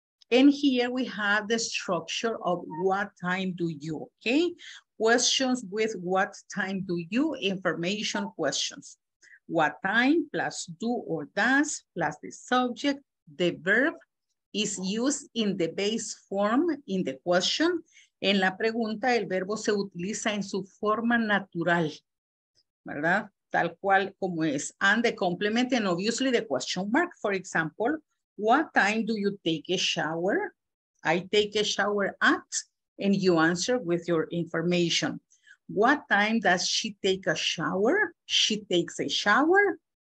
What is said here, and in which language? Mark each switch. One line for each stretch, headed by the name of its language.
English: And here we have the structure of what time do you, okay? Questions with what time do you, information questions. What time plus do or does plus the subject, the verb is used in the base form in the question.
Spanish: En la pregunta, el verbo se utiliza en su forma natural, ¿verdad? Tal cual como es.
English: And the complement and obviously the question mark. For example, what time do you take a shower? I take a shower at, and you answer with your information. What time does she take a shower? She takes a shower.